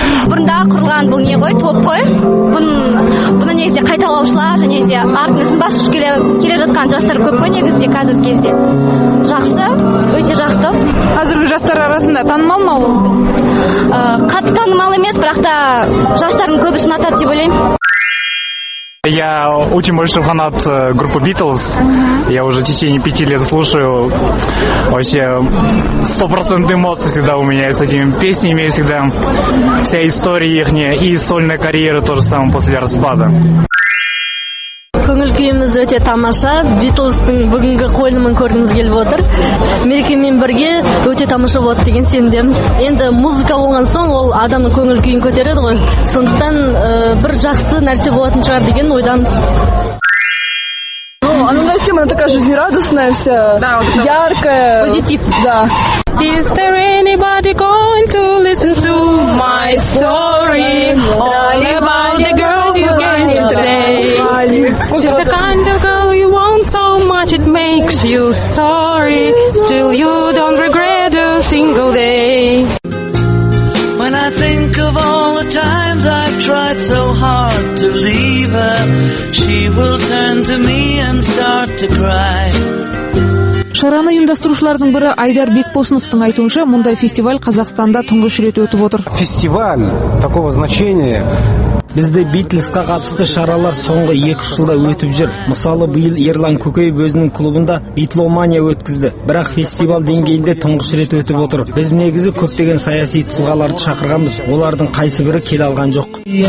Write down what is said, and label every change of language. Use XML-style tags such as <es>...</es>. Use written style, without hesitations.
<kk>Бұрында құрылған бұл не ғой, топ қой. Бұны негізде қайталаушылар, және де артынысын бас үш келе жатқан жастар көп қой негізде қазір кезде. Жақсы, өте жақсы топ. Қазіргі жастар арасында танымал ма ол? Қатты танымал емес, бірақ та жастардың көбі ұнатады деп ойлаймын.</kk> <ru>Я очень большой фанат группы Beatles. Я уже в течение 5 лет слушаю. Вообще 100% эмоций всегда у меня с этими песнями всегда. Вся история их и сольная карьера тоже самое после распада.</ru> <kk>Көңіл-күйіміз өте тамаша. Битлстің бүгінгі қойылымын көргіміз келіп отыр. Мерекемен бірге өте тамаша болады деген сенімдеміз. Енді музыка болған соң ол адамның көңіл-күйін көтереді ғой. Сондықтан бір жақсы нәрсе болатын шығар деген ойдамыз.</kk> <ru>Она такая жизнерадостная вся, да, вот яркая. Позитив. Да.</ru> <en>Is there anybody going to listen to my story? All about the girl you get today. She's the kind of girl you want so much it makes you sorry. Still you don't regret a single day. When I think of all the times I've tried so hard to leave her, she will turn to me and start to cry.</en> <kk>Шараны ұйымдастырушылардың бірі Айдар Бекбосыновтың айтуынша, мұндай фестиваль Қазақстанда тұңғыш рет өтіп отыр.</kk> <ru>Фестиваль такого значения.</ru> <kk>Бізде Битлзға қатысты шаралар соңғы 2 жылда өтіп жүр. Мысалы, биыл Ерлан Көкеев өзінің клубында Битломания өткізді, бірақ фестиваль деңгейінде тұңғыш рет өтіп отыр. Біз негізі көптеген саяси тұлғаларды шақырғанбыз, олардың қайсы бірі келе алған жоқ.</kk>